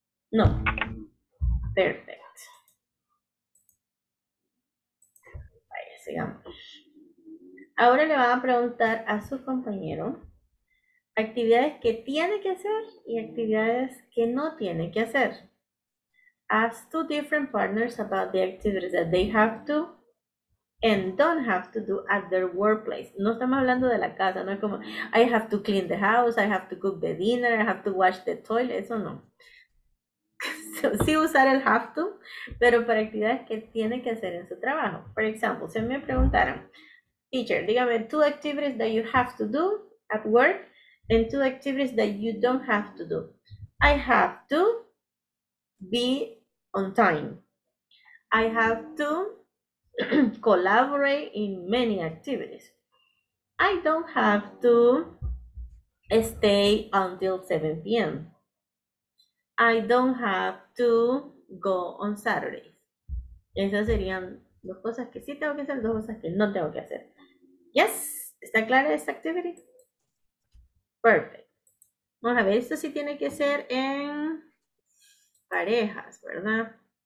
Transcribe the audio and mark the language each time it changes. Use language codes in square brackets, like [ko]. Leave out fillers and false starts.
[es] No. Perfect. Vaya, sigamos. Ahora le van a preguntar a su compañero actividades que tiene que hacer y actividades que no tiene que hacer. [en] Ask two different partners about the activities that they have to and don't have to do at their workplace. [es] No estamos hablando de la casa, no es como [en] I have to clean the house, I have to cook the dinner, I have to wash the toilet, [es] eso no. So, sí usar el have to, pero para actividades que tiene que hacer en su trabajo. Por ejemplo, si me preguntaran, teacher, dígame [en] two activities that you have to do at work and two activities that you don't have to do. I have to be on time. I have to collaborate in many activities. I don't have to stay until 7 p.m. I don't have to go on Saturdays. [es] Esas serían dos cosas que sí tengo que hacer, dos cosas que no tengo que hacer. Yes, ¿está clara esta activity? Perfect. Vamos a ver, esto sí tiene que ser en parejas, ¿verdad?